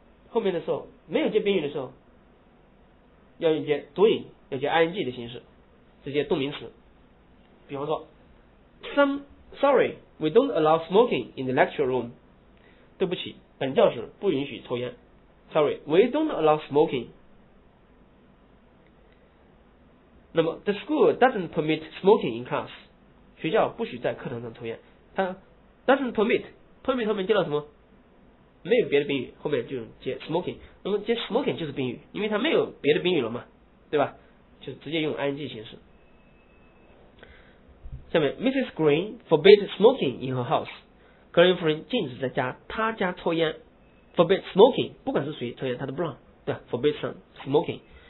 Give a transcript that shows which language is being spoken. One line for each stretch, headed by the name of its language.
Chinese: 后面的时候没有接宾语的时候，要用接 doing， 要接 ing 的形式，直接动名词。比方说
English: ，Sorry， we don't allow smoking in the lecture room。
Chinese: 对不起，本教室不允许抽烟。
English: Sorry， we don't allow smoking。那么 ，the school doesn't permit smoking in class。
Chinese: 学校不许在课堂上抽烟。它
English: doesn't permit，
Chinese: permit 后面接了什么？没有别的宾语，后面就接 smoking。那么接 smoking 就是宾语，因为它没有别的宾语了嘛，对吧？就直接用 ing 形式。下面 ，
English: Mrs. Green forbid smoking in her house。
Chinese: 格林夫人禁止在家她家抽烟 ，
English: forbid smoking，
Chinese: 不管是谁抽烟，她都不让，对吧 ？forbid smoking。